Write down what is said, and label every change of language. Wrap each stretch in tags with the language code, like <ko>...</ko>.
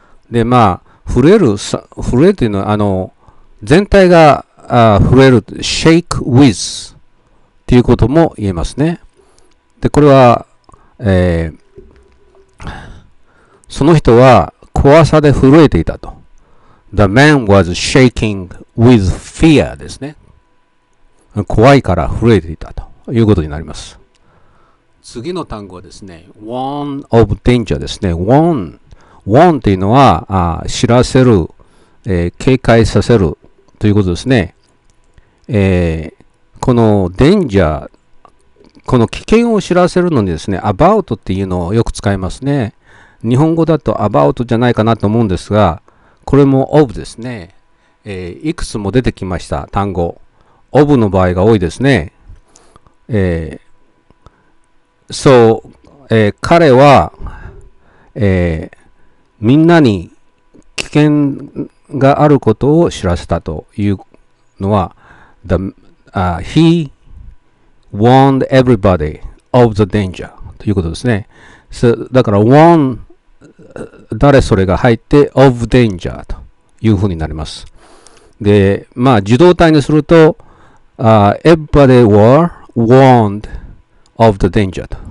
<ja>で、まあ、震えるというのは、全体が震える、shake with っていうことも言えますね。で、これは、その人は怖さで震えていたと。</ja> <en>The man was shaking with fear ですね。</en> <ja>怖いから震えていたということになります。次の単語はですね、warn of danger ですね。 warn っていうのは、知らせる、警戒させるということですね。この danger、この危険を知らせるのにですね、about っていうのをよく使いますね。日本語だと about じゃないかなと思うんですが、これも of ですね。いくつも出てきました、単語。of の場合が多いですね。彼は、みんなに危険があることを知らせたというのは、 he warned everybody of the danger ということですね。だから、warn、誰それが入って、of danger というふうになります。で、まあ、受動態にすると、 everybody were warned of the danger.</ja>